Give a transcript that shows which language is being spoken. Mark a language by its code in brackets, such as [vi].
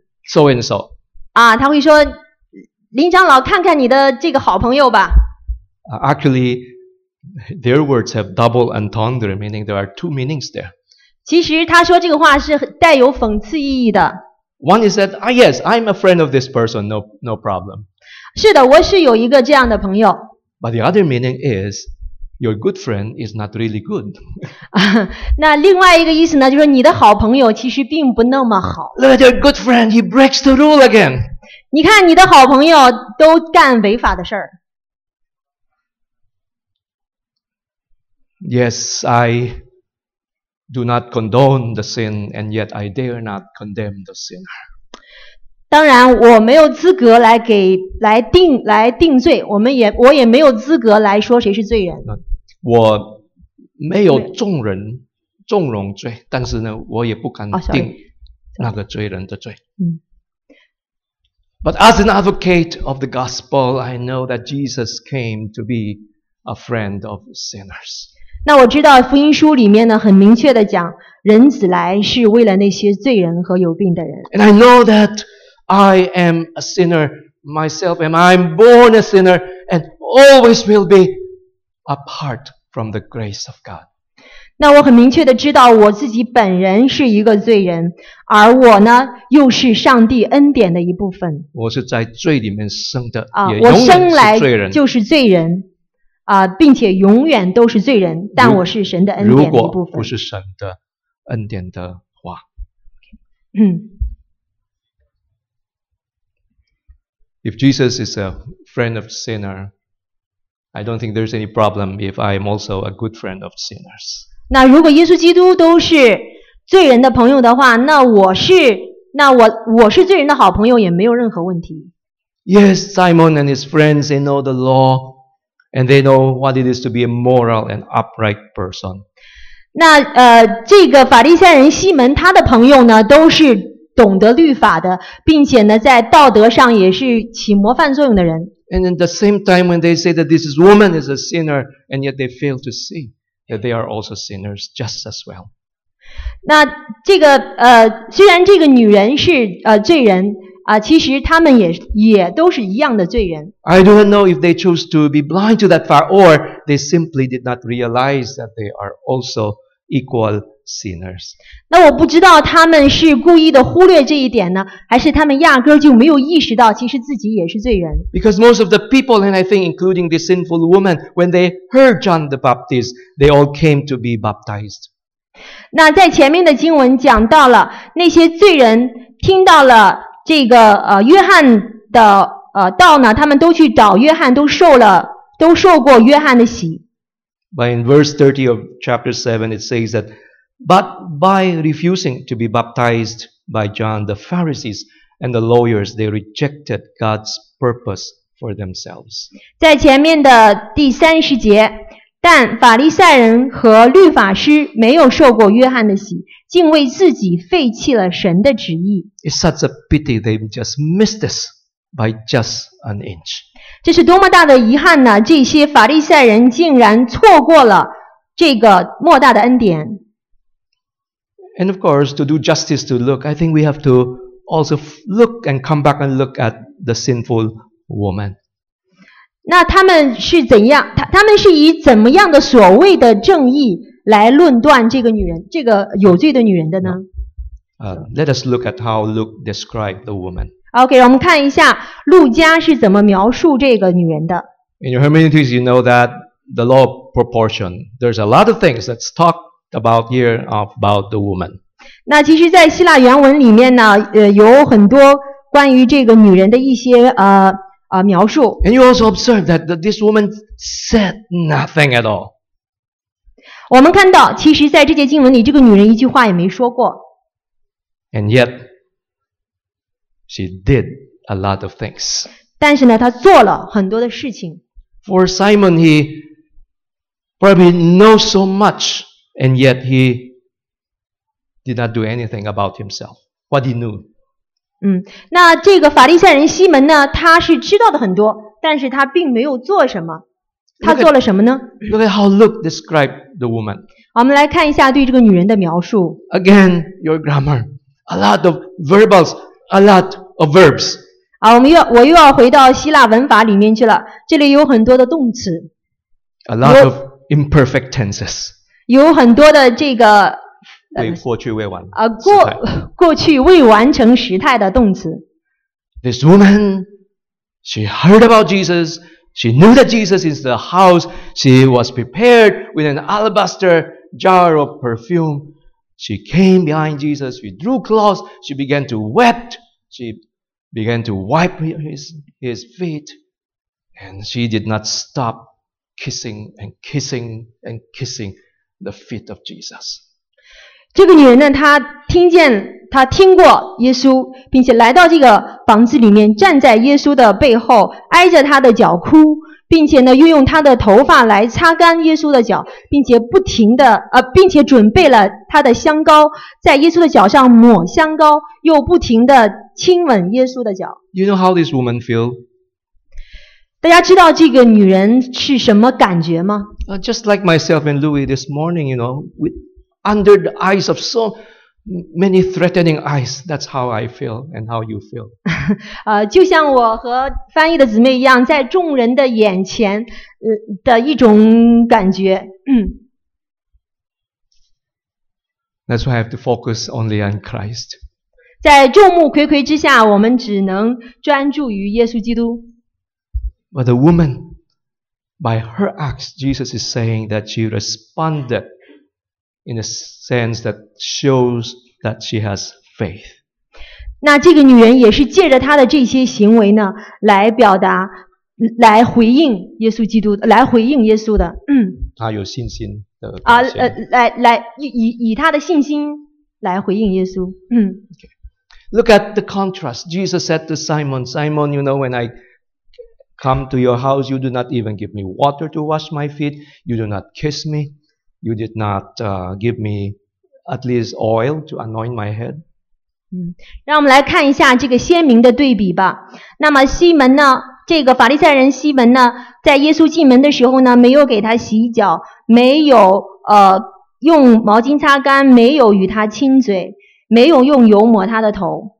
[en] So and so. [zh] 啊，他会说，林长老，看看你的这个好朋友吧。 [en] Actually, their words have double entendre, meaning there are two meanings there. [zh] 其实他说这个话是带有讽刺意义的。 [en] One is that, ah, yes, I'm a friend of this person, no problem. [zh] 是的，我是有一个这样的朋友。 [en] But the other meaning is, your good friend is not really good. [zh] 那另外一个意思呢，就是你的好朋友其实并不那么好。 [en] Look at your good friend, he breaks the rule again. [zh] 你看你的好朋友都干违法的事儿。 [en] Yes, I do not condone the sin, and yet I dare not condemn the sinner. [zh] 当然，我没有资格来定罪，我也没有资格来说谁是罪人。我没有众人纵容罪，但是呢，我也不敢定那个罪人的罪。 [en] But as an advocate of the gospel, I know that Jesus came to be a friend of sinners. [zh] 那我知道福音书里面呢，很明确的讲，人子来是为了那些罪人和有病的人。 [en] And I know that I am a sinner myself, and I'm born a sinner, and always will be. Apart from the grace of God. [zh] 那我很明确的知道我自己本人是一个罪人，而我呢又是上帝恩典的一部分。我是在罪里面生的，啊，我生来就是罪人，啊，并且永远都是罪人。但我是神的恩典的一部分。如果不是神的恩典的话， [en] If Jesus is a friend of sinner. I don't think there's any problem if I am also a good friend of sinners. [zh] 那如果耶稣基督都是罪人的朋友的话，那我是罪人的好朋友也没有任何问题。 [en] Yes, Simon and his friends, they know the law, and they know what it is to be a moral and upright person. [zh] 那这个法利赛人西门他的朋友呢，都是懂得律法的，并且呢，在道德上也是起模范作用的人。 [en] And at the same time, when they say that this woman is a sinner, and yet they fail to see that they are also sinners just as well. [zh] 那这个虽然这个女人是罪人啊，其实他们也都是一样的罪人。 [en] I do not know if they chose to be blind to that fact, or they simply did not realize that they are also equal sinners. [zh] 那我不知道他们是故意的忽略这一点呢，还是他们压根就没有意识到其实自己也是罪人。 [en] Because most of the people, and I think including this sinful woman, when they heard John the Baptist, they all came to be baptized. [zh] 那在前面的经文讲到了，那些罪人听到了这个约翰的道呢，他们都去找约翰，都受了，都受过约翰的洗。 [en] But in verse 30 of chapter 7, it says that, but by refusing to be baptized by John, the Pharisees and the lawyers, they rejected God's purpose for themselves. [zh] 在前面的第三十节，但法利赛人和律法师没有受过约翰的洗，竟为自己废弃了神的旨意。 [en] It's such a pity they just missed this by just an inch. [zh] 这是多么大的遗憾呢？这些法利赛人竟然错过了这个莫大的恩典。 [en] And of course, to do justice to Luke, I think we have to also look and come back and look at the sinful woman. [zh] 那他们是怎样？他们是以怎么样的所谓的正义来论断这个女人，这个有罪的女人的呢？ [en] Let us look at how Luke described the woman. [zh] Okay, 我们看一下路加是怎么描述这个女人的。 [en] In your hermeneutics, you know that the law of proportion. There's a lot of things that's talked about here about the woman. [zh] 那其实，在希腊原文里面呢，有很多关于这个女人的一些描述。 [en] And you also observe that this woman said nothing at all. [zh] 我们看到，其实在这节经文里，这个女人一句话也没说过。 [en] And yet, she did a lot of things. [zh] 但是呢，她做了很多的事情。 [en] For Simon, he probably knows so much, and yet he did not do anything about himself. What he knew. [zh] 那这个法利赛人西门呢，他是知道的很多，但是他并没有做什么。他做了什么呢？ [en] Look at how Luke described the woman. [zh] 我们来看一下对这个女人的描述。 [en] Again, your grammar. A lot of verbals, a lot of verbs. [zh] 我又要回到希腊文法里面去了，这里有很多的动词。 [en] A lot of imperfect tenses. [zh] 有很多的这个过去未完过去未完成时态的动词。 [en] This woman, she heard about Jesus. She knew that Jesus is the house. She was prepared with an alabaster jar of perfume. She came behind Jesus. She drew cloths. She began to wept. She began to wipe his feet. And she did not stop kissing and kissing and kissing the feet of Jesus. [zh] 这个女人呢，她听见，她听过耶稣，并且来到这个房子里面，站在耶稣的背后，挨着他的脚哭，并且呢，又用她的头发来擦干耶稣的脚，并且不停的，并且准备了她的香膏，在耶稣的脚上抹香膏，又不停的亲吻耶稣的脚。 [en] You know how this woman feel? [zh] 大家知道这个女人是什么感觉吗？ [en] Just like myself and Louis this morning, you know, Under the eyes of so many threatening eyes, that's how I feel and how you feel. [zh] 就像我和翻译的姊妹一样，在众人的眼前，的一种感觉。 [en] That's why I have to focus only on Christ. [zh] 在众目睽睽之下，我们只能专注于耶稣基督。 [en] But the woman, by her acts, Jesus is saying that she responded. In a sense that shows that she has faith. [zh] 那这个女人也是借着她的这些行为呢，来表达，来回应耶稣基督，来回应耶稣的。她有信心的。来以她的信心来回应耶稣。 [en] Okay. Look at the contrast. Jesus said to Simon, "Simon, you know when I come to your house, you do not even give me water to wash my feet. You do not kiss me." You did not give me at least oil to anoint my head. [zh] 让我们来看一下这个鲜明的对比吧。那么西门呢，这个法利赛人西门呢，在耶稣进门的时候呢，没有给他洗脚，没有用毛巾擦干，没有与他亲嘴，没有用油抹他的头。